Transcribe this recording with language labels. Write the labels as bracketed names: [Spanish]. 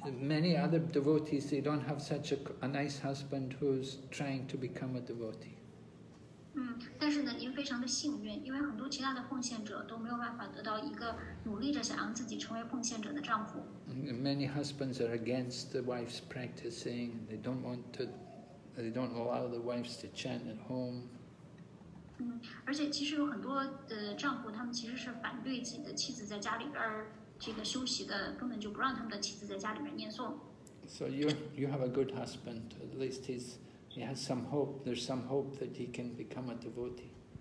[English] Many other devotees, they don't have such a nice husband who's trying to become a devotee. [Chinese] 但是呢，您非常的幸运，因为很多其他的奉献者都没有办法得到一个努力着想让自己成为奉献者的丈夫。 [English] Many husbands are against the wife's practicing. They don't want to. They don't allow the wives to chant at home. [Chinese] 而且其实有很多的丈夫，他们其实是反对自己的妻子在家里边这个休息的，根本就不让他们的妻子在家里面念诵。 [English] So you have a good husband. At least he has some hope. There's some hope that he can become a devotee.